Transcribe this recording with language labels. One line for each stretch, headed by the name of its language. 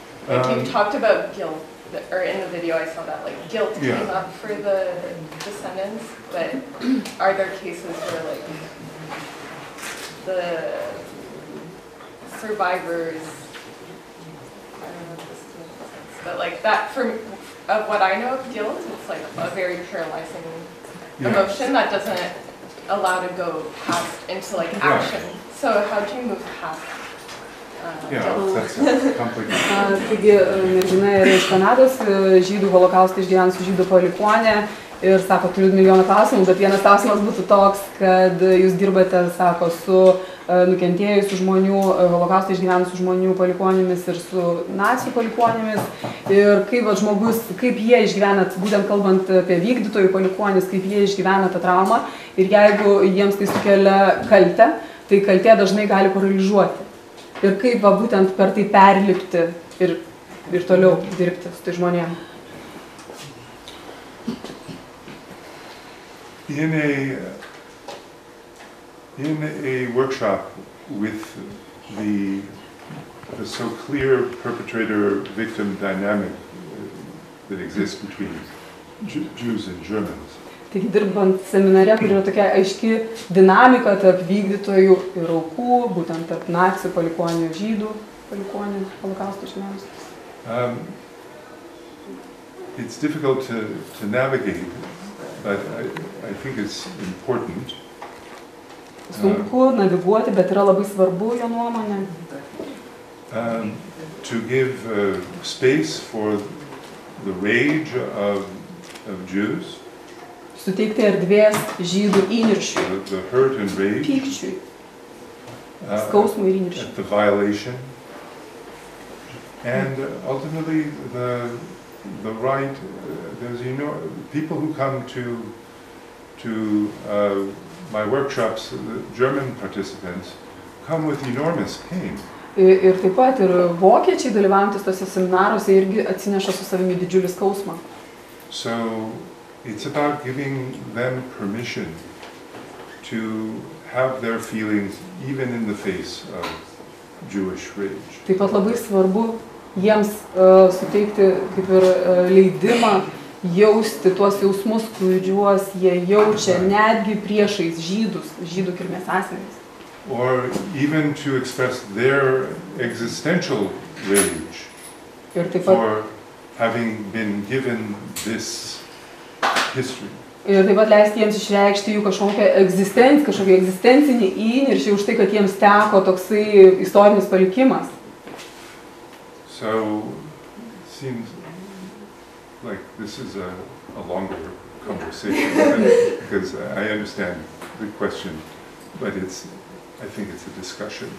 English: and if you've talked about guilt, or in the video I saw that like guilt came up for the descendants, but are there cases where like the survivors, I don't know if this makes sense, but like that from of what I know of guilt, it's like a very paralyzing emotion that doesn't allow to go past into like action. Right. So how do you move past that?
Lithuanian: Taigi, mergina yra iš Kanados, žydų holokaustą išgyvenusių žydų palikuonė ir sako, turiu milijoną klausimų, bet vienas klausimas būtų toks, kad jūs dirbate, sako, su nukentėjusių žmonių, holokaustą išgyvenusių žmonių palikuonėmis ir su nacijų palikuonėmis. Ir kaip va, žmogus, kaip jie išgyvena, būtent kalbant apie vykdytojų palikuonis, kaip jie išgyvena tą traumą ir jeigu jiems tai sukelia kaltę, tai kaltė dažnai gali paralyžuoti. Ir kaip va, būtent per tai perlipti ir toliau dirbti su tai žmonėm.
English: In a workshop with the so clear perpetrator victim dynamic that exists between Jews and Germans.
Lithuanian: Taigi dirbant seminare, kur yra tokia aiški dinamika tarp vykdytojų ir aukų, būtent tarp nacijų palikuonių, žydų palikuonių, holokausto žmonės.
English: It's difficult to navigate, but I think it's important.
Lithuanian: Sunku naviguoti, bet yra labai svarbu jo nuomonė.
English: To give space for the rage of Jews.
Lithuanian: Suteikti erdvės žydų įniršiui,
English: the hurt and rage,
Lithuanian: pykčiui, skausmų ir įniršiui,
English: the violation, and ultimately the right, there's, you know, people who come to my workshops, the German participants, come with enormous pain.
Lithuanian: Ir taip pat ir vokiečiai dalyvaujantys tose seminaruose irgi atsineša su savimi didžiulį skausmą.
English: So, it's about giving them permission to have their feelings even in the face of Jewish rage.
Lithuanian: Taip pat labai svarbu jiems suteikti kaip ir leidimą jausti tuos jausmus, kuriuos jie jaučia netgi priešais žydus, žydų kilmės asmenys.
English: Or even to express their existential rage for having been given this history.
Lithuanian: Ir taip pat leisti jiems išreikšti jų kažkokį egzistencinį įniršį už tai, kad jiems teko toksai istorinis palikimas.
English: So, it seems like this is a longer conversation, because I understand the question, but it's, I think it's a discussion.